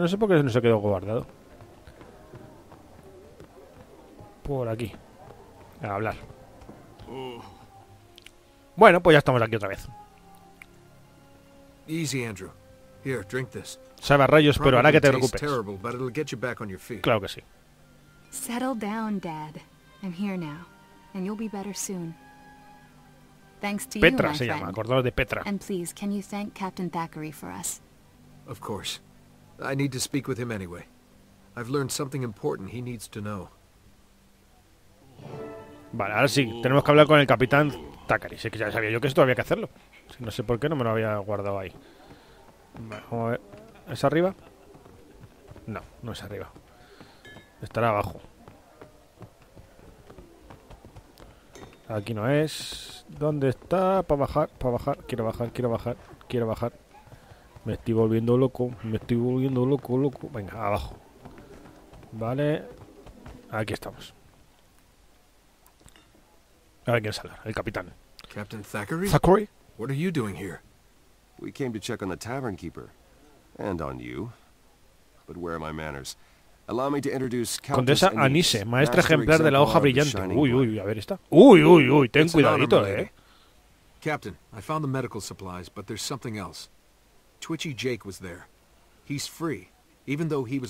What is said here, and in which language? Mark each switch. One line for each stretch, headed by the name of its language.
Spanish: No sé por qué no se quedó guardado. Por aquí. A hablar. Bueno, pues ya estamos aquí otra vez.
English: Easy, Andrew. Here, drink this.
Spanish: Sabe a rayos, pero hará que te preocupes.
English: Terrible, but it'll get you back on your feet.
Spanish: Claro que sí.
English: Settle down, Dad. I'm here now, and you'll be better soon. Thanks to Petra you,
Spanish: se llama, acordaros de Petra.
English: And please, can you thank Captain Thackeray for us? Of course. I need to speak with him anyway. I've learned something important he needs to know.
Spanish: Vale, ahora sí, tenemos que hablar con el Capitán Thackeray. Sé que ya sabía yo que esto había que hacerlo. No sé por qué no me lo había guardado ahí. Vale, vamos a ver. ¿Es arriba? No, no es arriba. Estará abajo. Aquí no es. ¿Dónde está? Para bajar, para bajar. Quiero bajar, quiero bajar, quiero bajar. Me estoy volviendo loco. Me estoy volviendo loco, loco. Venga, abajo. Vale. Aquí estamos. A ver quién sale. El capitán.
English: Captain Thackeray. Thackeray. What are you doing here? We came to check on the tavern keeper. And on you. But where are my manners? Allow me to introduce
Spanish: Condesa Anise, maestra ejemplar de la hoja brillante. Uy, uy, uy, a ver esta. Uy, uy, uy, ten cuidadito,
English: Captain, I found the medical supplies, but there's something else. Twitchy Jake was there. He's free, even though he was.